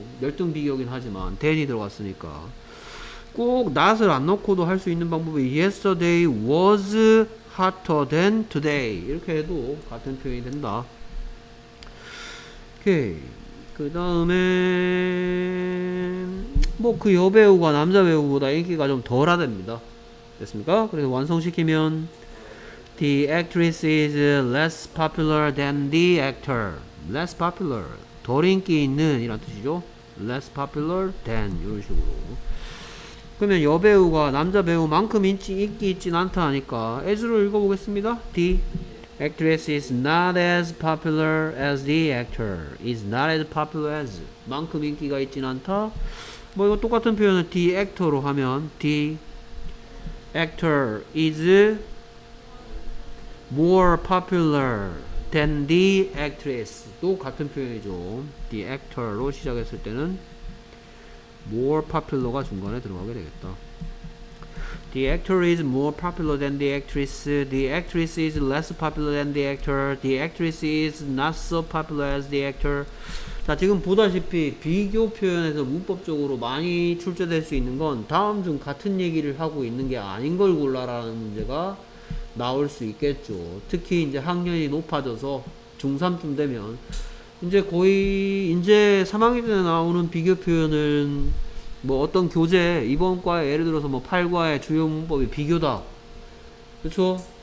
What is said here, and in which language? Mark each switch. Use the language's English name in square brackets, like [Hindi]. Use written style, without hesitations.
[Korean] 열등 비교긴 하지만 than이 들어갔으니까 꼭 not을 안 넣고도 할 수 있는 방법이 [English] yesterday was hotter than today [Korean] 이렇게 해도 같은 표현이 된다. 오케이. 그 다음에 뭐 그 여배우가 남자 배우보다 인기가 좀 덜하답니다. 됐습니까? 그래서 완성시키면 [English] the actress is less popular than the actor. [Korean] less popular 덜 인기 있는 이란 뜻이죠. [English] less popular than [Korean] 이런 식으로. 그러면 여배우가 남자 배우만큼 인기 있진 않다 하니까 as를 읽어보겠습니다. [English] The actress is not as popular as the actor. is not as popular as [Korean] 만큼 인기가 있진 않다. 뭐 이거 똑같은 표현을 the actor로 하면 [English] the actor is more popular than the actress. [Korean] 또 같은 표현이죠. the actor로 시작했을 때는 more popular가 중간에 들어가게 되겠다. [English] The actor is more popular than the actress. The actress is less popular than the actor. The actress is not so popular as the actor. [Korean] 자, 지금 보다시피 비교 표현에서 문법적으로 많이 출제될 수 있는 건 다음 중 같은 얘기를 하고 있는 게 아닌 걸 골라라는 문제가 나올 수 있겠죠. 특히 이제 학년이 높아져서 중3쯤 되면 이제 거의 이제 3학년 때 나오는 비교 표현은 뭐 어떤 교재 이번 과에 예를 들어서 뭐 8과의 주요 문법이 비교다. 그쵸?